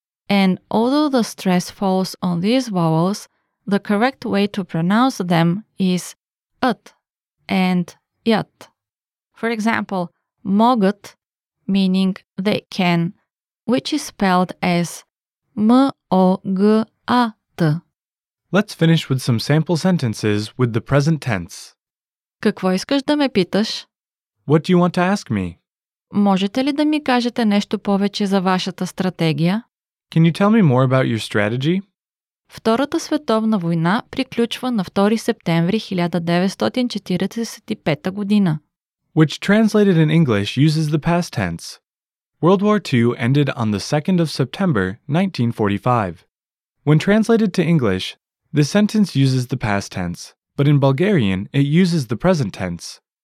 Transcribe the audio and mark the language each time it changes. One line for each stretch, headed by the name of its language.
English: And although the stress falls on these vowels, the correct way to pronounce them is ът and ят. For example, могът, meaning they can, which is spelled as могат. Let's finish with some sample sentences with the present tense.
Bulgarian: Какво искаш да ме питаш?
English: What do you want to ask me?
Bulgarian: Можете ли да ми кажете нещо повече за вашата стратегия?
English: Can you tell me more about your strategy?
Bulgarian: Втората световна война приключва на 2 септември 1945 година.
English: which translated in English uses the past tense. World War II ended on the 2nd of September, 1945. When translated to English, the sentence uses the past tense, but in Bulgarian, it uses the present tense.